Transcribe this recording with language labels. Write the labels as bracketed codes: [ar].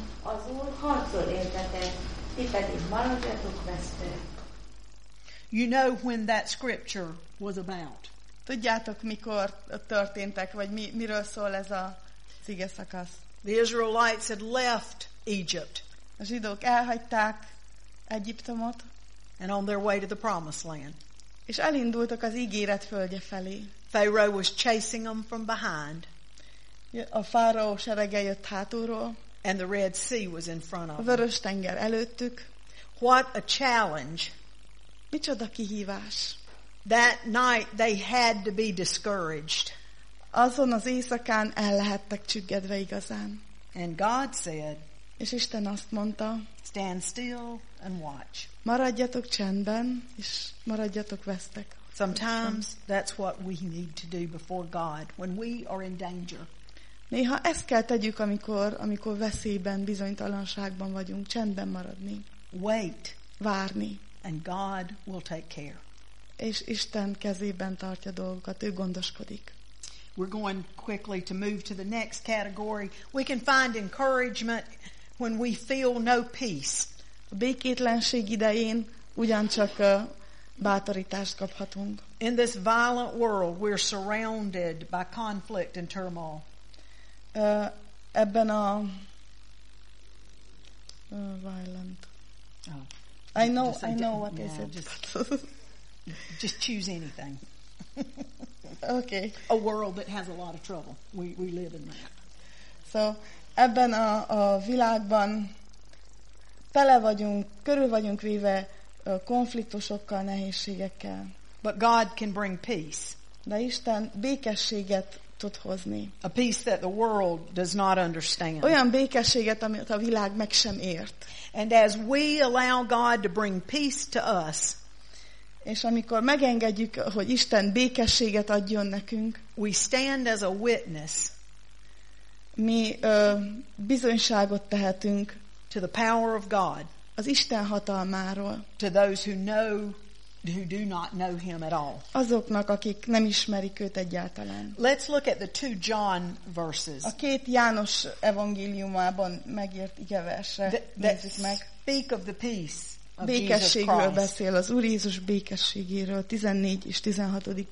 [hu] Az Úr harcol értetek, ti pedig maradjatok vesztek. [en] You know when that scripture was about. [hu] Tudjátok, mikor történtek, vagy miről szól ez a cige szakasz. [en] The Israelites had left Egypt. [hu] A zsidók elhagyták Egyiptomot. [en] And on their way to the Promised Land. [hu] És elindultak az ígéret földje felé. [en] Pharaoh was chasing them from behind. [hu] A fáraó serege jött hátulról. [en] And the Red Sea was in front of them. [hu] A Vöröstenger előttük. [en] What a challenge! [hu] Micsoda kihívás! [en] That night they had to be discouraged. [hu] Azon az éjszakán el lehettek csüggedve igazán. [en] And God said, [hu] és Isten azt mondta, [en] stand still and watch. [hu] Maradjatok csendben, és maradjatok vesztek. [en] Sometimes that's what we need to do before God when we are in danger. [hu] Néha ezt kell tegyük, amikor veszélyben, bizonytalanságban vagyunk, csendben maradni. [en] Wait. [hu] Várni. [en] And God will take care. [hu] És Isten kezében tartja dolgokat, ő gondoskodik. [en] We're going quickly to move to the next category. We can find encouragement when we feel no peace. [hu] A békétlenség idején ugyancsak bátorítást kaphatunk. [en] In this violent world, we're surrounded by conflict and turmoil. [hu] Ebben a violent. [en] Oh. I know what is it. just choose anything. Okay. A world that has a lot of trouble. We live in that. [hu] So, ebben a világban tele vagyunk, körül vagyunk véve konfliktusokkal, nehézségekkel. [en] But God can bring peace. [hu] De Isten békességet tud hozni. [en] A peace that the world does not understand. [hu] Olyan békességet, amit a világ meg sem ért. [en] And as we allow God to bring peace to us, [hu] és amikor megengedjük, hogy Isten békességet adjon nekünk, [en] we stand as a witness, [hu] mi bizonyságot tehetünk [en] to the power of God, [hu] az Isten hatalmáról, [en] to those who do not know him at all. [hu] Azoknak, akik nem ismerik őt egyáltalán. [en] Let's look at the two John verses. [hu] A két János evangéliumában megírt igeversre nézzük meg. [en] Speak of the peace. [hu] Békességről beszél, az Úr Jézus békességéről, 14 és 16.